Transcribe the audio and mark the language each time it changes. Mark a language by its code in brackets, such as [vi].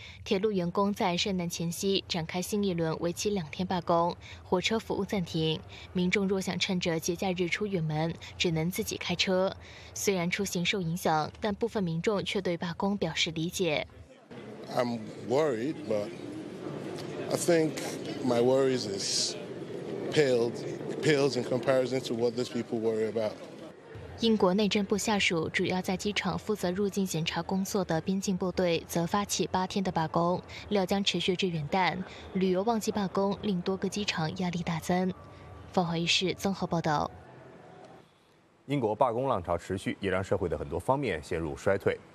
[zh] 铁路员工在圣诞前夕展开新一轮为期2天罢工，火车服务暂停。民众若想趁着节假日出远门，只能自己开车。虽然出行受影响，但部分民众却对罢工表示理解。 [en] I'm worried, but... I think my worries is pales in comparison to what these people worry about. [zh] 英国内政部下属主要在机场负责入境检查工作的边境部队则发起8天的罢工，料将持续至元旦。旅游旺季罢工令多个机场压力大增。凤凰卫视综合报道。英国罢工浪潮持续，也让社会的很多方面陷入衰退。